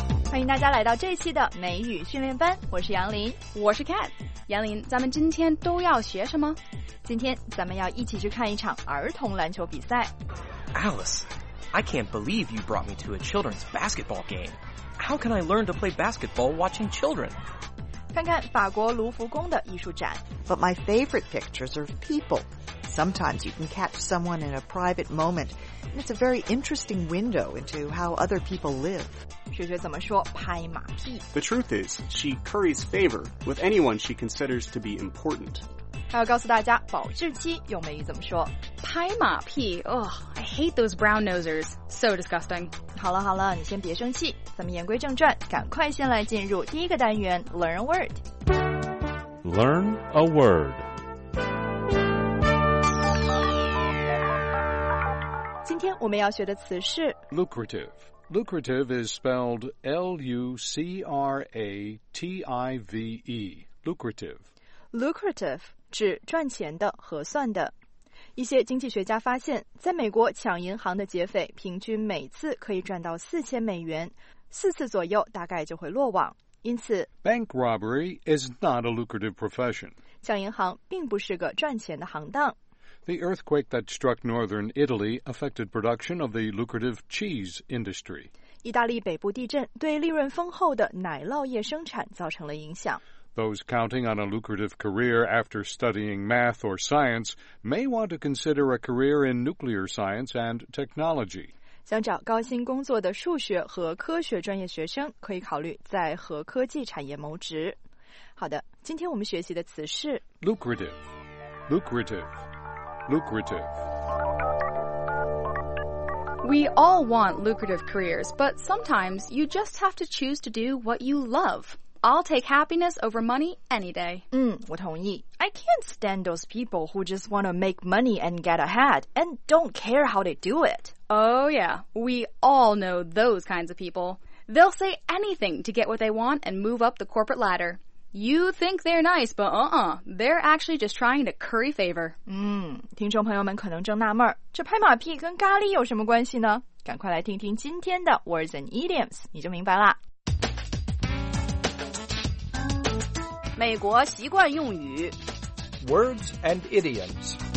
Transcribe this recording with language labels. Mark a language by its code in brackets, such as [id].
[zh] 欢迎大家来到这期的美语训练班，我是杨林，我是 Cat。杨林，咱们今天都要学什么？今天咱们要一起去看一场儿童篮球比赛。 [en] Alice, I can't believe you brought me to a children's basketball game. How can I learn to play basketball watching children? [zh] 看看法国卢浮宫的艺术展。 [en] But my favorite pictures are people. Sometimes you can catch someone in a private moment, and it's a very interesting window into how other people live. [zh] 学学怎么说拍马屁。 [en] The truth is, she curries favor with anyone she considers to be important. [zh] 还要告诉大家保质期用美语怎么说。 [en] 拍马屁， oh, I hate those brown nosers. So disgusting. [zh] 好了好了，你先别生气。咱们言归正传，赶快先来进入第一个单元 [en] Learn a word. Learn a word. [zh] 今天我们要学的词是 [en] Lucrative. Lucrative is spelled L-U-C-R-A-T-I-V-E. Lucrative. [zh] Lucrative 指赚钱的，合算的。一些经济学家发现，在美国抢银行的劫匪平均每次可以赚到$4,000，四次左右大概就会落网。因此 [en] ，Bank robbery is not a lucrative profession. [zh] 抢银行并不是个赚钱的行当。 [en] The earthquake that struck northern Italy affected production of the lucrative cheese industry. [zh] 意大利北部地震对利润丰厚的奶酪业生产造成了影响。 [en] Those counting on a lucrative career after studying math or science may want to consider a career in nuclear science and technology. [zh] 想找高薪工作的数学和科学专业学生可以考虑在核科技产业谋职。好的，今天我们学习的词是 [en] lucrative, lucrative, lucrative. We all want lucrative careers, but sometimes you just have to choose to do what you love. I'll take happiness over money any day. 我同意。 I can't stand those people who just want to make money and get ahead and don't care how they do it. Oh yeah, we all know those kinds of people. They'll say anything to get what they want and move up the corporate ladder. You think they're nice, but uh-uh, they're actually just trying to curry favor. [zh] 听众朋友们可能正纳闷，这拍马屁跟咖喱有什么关系呢？赶快来听听今天的 Words and Idioms, 你就明白了。美国习惯用语 [en] Words and Idioms.